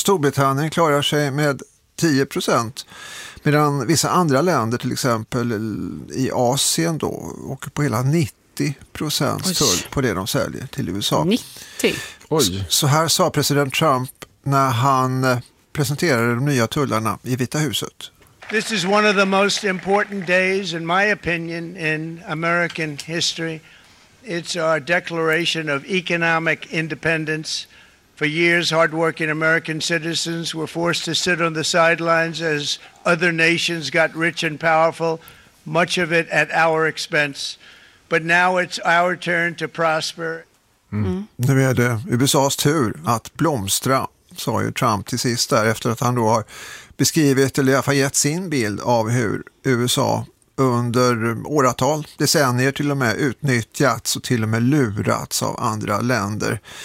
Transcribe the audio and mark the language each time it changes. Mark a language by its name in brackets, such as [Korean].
[Swedish] Storbritannien klarar sig med 10%, medan vissa andra länder till exempel i Asien då åker på hela 90% tull. Oj. På det de säljer till USA. 90? Oj. Så här sa president Trump när han presenterade de nya tullarna i Vita huset. [English] This is one of the most important days in my opinion in American history. It's our declaration of economic independence. For years, hardworking American citizens were forced to sit on the sidelines as other nations got rich and powerful, much of it at our expense. But now it's our turn to prosper. [Swedish] Nu är det USA:s tur att blomstra, sa ju Trump till sist där, efter att han då har beskrivit eller i alla fall gett sin bild av hur USA under åratal, decennier till och med, utnyttjats och till och med lurats av andra länder.